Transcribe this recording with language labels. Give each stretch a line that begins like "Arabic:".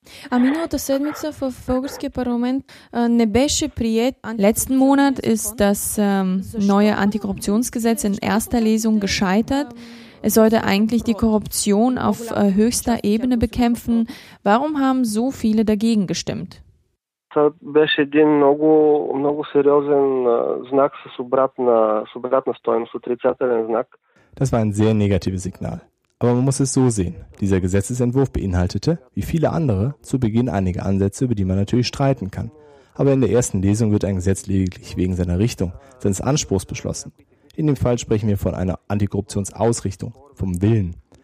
Bulgarian: А миналата седмица в българския парламент не беше приет.
German: Letzten Monat ist das neue Antikorruptionsgesetz in erster Lesung gescheitert. Es sollte eigentlich die Korruption auf höchster Ebene bekämpfen. Warum haben so viele dagegen gestimmt?
Bulgarian: Това беше един много, много сериозен знак с обратна стойност, отрицателен знак.
German: Das war ein sehr negatives Signal. Aber man muss es so sehen. Dieser Gesetzesentwurf beinhaltete, wie viele andere, zu Beginn einige Ansätze, über die man natürlich streiten kann. Aber in der ersten Lesung wird ein Gesetz lediglich wegen seiner Richtung, seines Anspruchs beschlossen. In dem Fall sprechen wir von einer Antikorruptionsausrichtung, vom Willen.